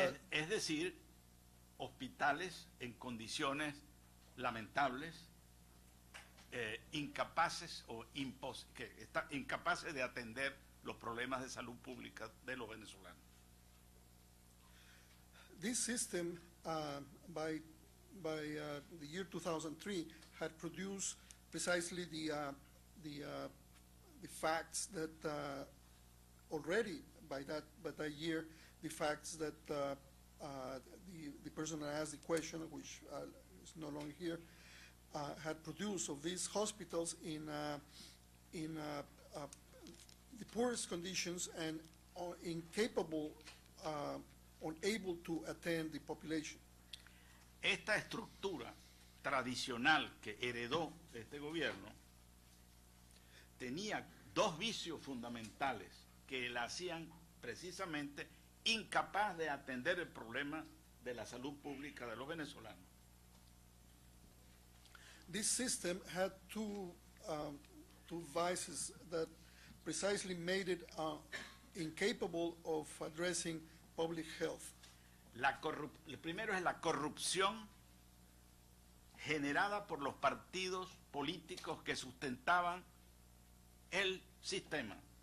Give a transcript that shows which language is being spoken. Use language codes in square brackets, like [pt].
[es] Es decir, hospitales en condiciones lamentables, incapaces o que está incapaces de atender los problemas de salud pública de los venezolanos. [en] This system by the year 2003 had produced precisely the facts that already by that year the facts that the person that asked the question, which is no longer here, had produced of these hospitals in the poorest conditions and incapable, unable to attend the population. [es] Esta estructura tradicional que heredó este gobierno tenía dos vicios fundamentales que la hacían precisamente incapaz de atender el problema de la salud pública de los venezolanos. [en] This system had two vices that precisely made it incapable of addressing public health. [es] El primero es la corrupción generada por los partidos políticos que sustentaban el sistema.